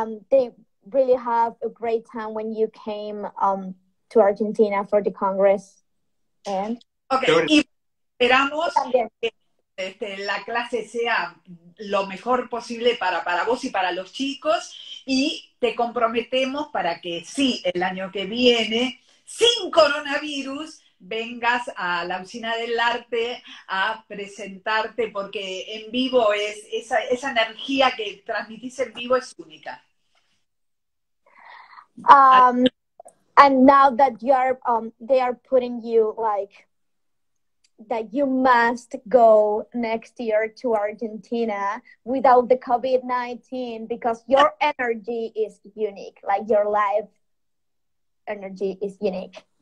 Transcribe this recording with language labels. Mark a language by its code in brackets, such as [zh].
[en] They really have a great time when you came to Argentina for the Congress. And [es] okay, y esperamos que la clase sea lo mejor posible para vos y para los chicos, y te comprometemos para que sí, el año que viene, sin coronavirus, vengas a la Usina del Arte a presentarte, porque en vivo es esa energía que transmitís en vivo es única. [en] And now that you are they are putting you like that you must go next year to Argentina without the COVID-19 because your energy is unique, like your life energy is unique.